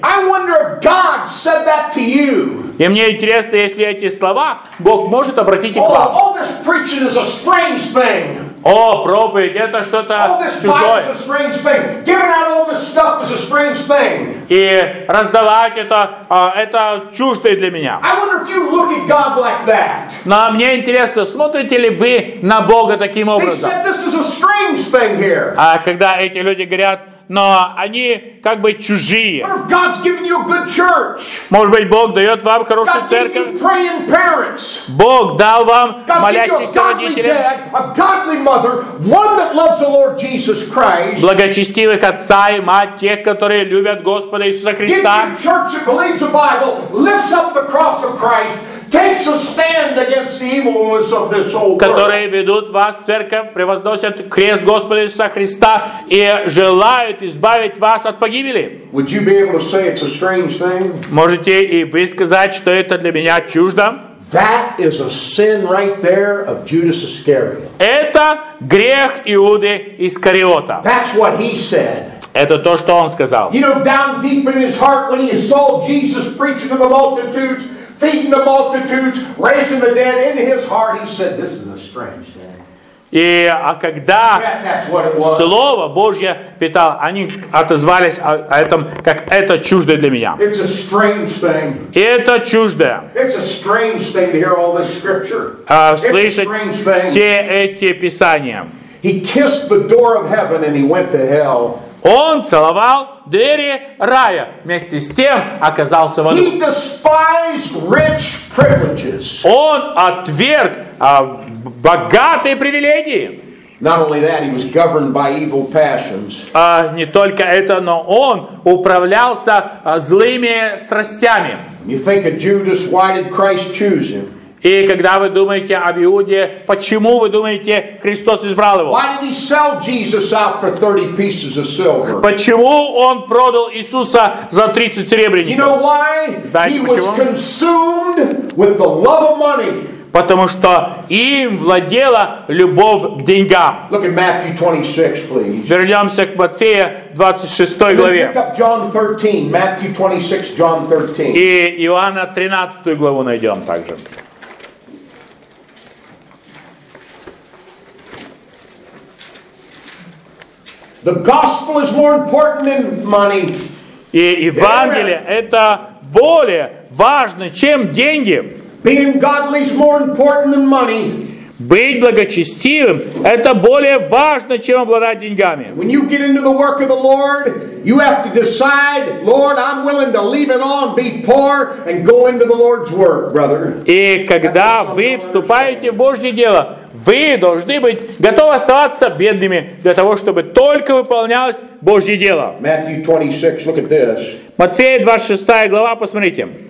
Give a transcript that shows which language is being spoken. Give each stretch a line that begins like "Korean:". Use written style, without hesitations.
English: I wonder if God said that to you.
Russian: И мне интересно, если эти слова Бог может обратить их к вам.
English: All this preaching is a strange thing.
Russian: О, проповедь, это что-то чужое.
English: All this is a strange thing. Giving out all this stuff is a strange thing.
Russian: И раздавать это чуждое для меня.
English: I wonder if you look at God like that.
Russian: Но мне интересно, смотрите ли вы на Бога таким образом?
English: They said this is a strange thing here.
Russian: А когда эти люди говорят, но они как бы чужие.
English: What if God's giving you a good church?
Russian: Может быть, Бог дает вам хорошую
English: God
Russian: церковь?
English: Gave you praying parents.
Russian: Бог дал вам
English: God
Russian: молящихся родителей.
English: Dad, a godly mother, one that loves the Lord Jesus Christ.
Russian: Благочестивых отца и мать, тех, которые любят Господа Иисуса Христа.
English: Gives you a church that believes the Bible, lifts up the cross of Christ. Takes a stand against the evilness of this old world.
Russian: Которые ведут вас в церковь, превозносят крест Господа Иисуса Христа и желают избавить вас от погибели.
English: Would you be able to say it's a strange thing?
Russian: Можете и вы сказать, что это для меня чуждо?
English: That is a sin right there of Judas Iscariot.
Russian: Это грех Иуды Искариота.
English: That's what he said.
Russian: Это то, что он сказал.
English: You know, down deep in his heart, when he saw Jesus preaching to the multitudes, feeding the multitudes, raising the dead, in his heart, he said, "This is a strange day."
Russian: И а когда Слово Божье питало, они отозвались о этом, как это чуждое для меня.
English: It's a strange thing.
Russian: И это чуждое.
English: It's a strange thing to hear all this scripture.
Russian: Слышать все эти писания.
English: He kissed the door of heaven and he went to hell.
Russian: Он целовал двери рая, вместе с тем оказался в аду.
English: He despised rich privileges.
Russian: Он отверг богатые привилегии.
English: Not only that, he was governed by evil passions.
Russian: Не только это, но он управлялся злыми страстями.
English: You think of Judas, why did Christ choose him?
Russian: И когда вы думаете об Иуде, почему вы думаете, Христос избрал его?
English: Why did he sell Jesus out for 30 pieces of silver?
Russian: Почему он продал Иисуса за 30 серебряников?
English: You know why?
Russian: Знаете,
English: he
Russian: почему?
English: Was consumed with the love of money.
Russian: Потому что им владела любовь к деньгам.
English: Look at Matthew 26, please.
Russian: Вернемся к Матфея 26 главе.
English: Pick up John 13, Matthew 26, John 13.
Russian: И Иоанна 13 главу найдем также.
English: The gospel is more important than money.
Russian: И Евангелие это более важно, чем деньги.
English: Being godly is more important than money.
Russian: Быть благочестивым – это более важно, чем обладать деньгами.
English: When you get into the work of the Lord, you have to decide, Lord, I'm willing to leave it all and be poor and go into the Lord's work, brother.
Russian: И когда вы вступаете в Божье дело, вы должны быть готовы оставаться бедными для того, чтобы только выполнялось Божье дело.
English: Matthew 26, look at this.
Russian: Матфея 26 глава, посмотрите.